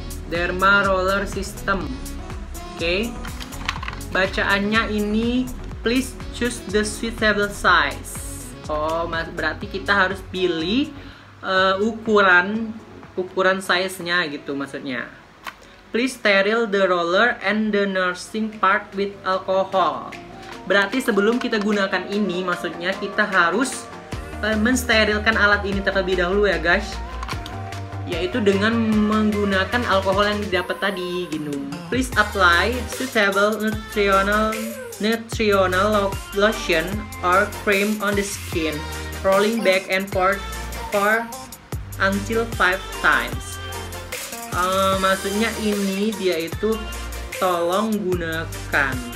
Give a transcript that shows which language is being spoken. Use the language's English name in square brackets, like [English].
[English] Dermaroller System. Oke. [Indonesian] Bacaannya ini, [English] please choose the suitable size. [Indonesian] Oh, berarti kita harus pilih ukuran size-nya gitu maksudnya. [English] Please sterile the roller and the nursing part with alcohol. [Indonesian] Berarti sebelum kita gunakan ini, maksudnya kita harus mensterilkan alat ini terlebih dahulu ya guys. Yaitu dengan menggunakan alkohol yang didapat tadi gitu. [English] Please apply suitable nutritional lotion or cream on the skin, rolling back and forth for until 5 times. [Indonesian] Maksudnya ini dia itu tolong gunakan.